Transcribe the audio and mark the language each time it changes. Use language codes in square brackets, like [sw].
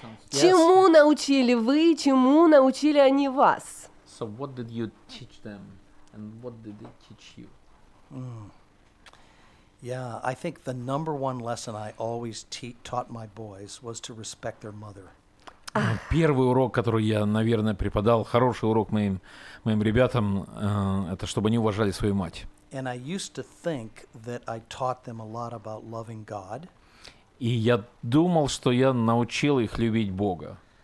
[ru] Чему научили вы, чему научили они вас? [en] So what did you teach them and what did they teach you? Yeah, I think the number one lesson I always taught my boys was to respect their mother. [ru] Первый урок, который я, наверное, преподал, хороший урок моим ребятам, это чтобы они уважали свою мать. И я думал, что я научил их любить Бога.